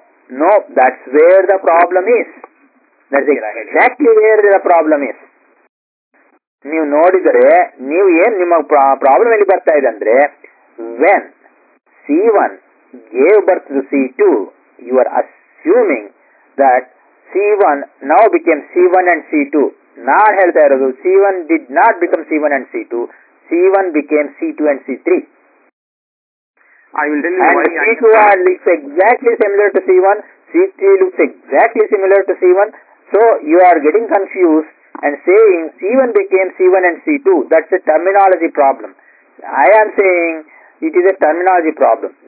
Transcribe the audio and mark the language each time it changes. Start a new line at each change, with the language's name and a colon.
English: No, that's where the problem is. That's exactly where the problem is.
Kannada: ನೀವು ನೋಡಿದರೆ ನೀವು ಏನ್ ನಿಮ್ಮ ಪ್ರಾಬ್ಲಮ್ ಎಲ್ಲಿ ಬರ್ತಾ ಇದೆ ಅಂದ್ರೆ,
English: when C one gave birth to C two,
Kannada: you are assuming that C one now became C one and C to. ನಾನು ಹೇಳ್ತಾ ಇರೋದು
English: C one did not become C one and C two, C1 became C2 and C3. I will tell you and why. C2 looks exactly similar to C1. C3 looks exactly similar to C1. So, you are getting confused and saying C1 became C1 and C2. That's a terminology problem. I am saying it is a terminology problem.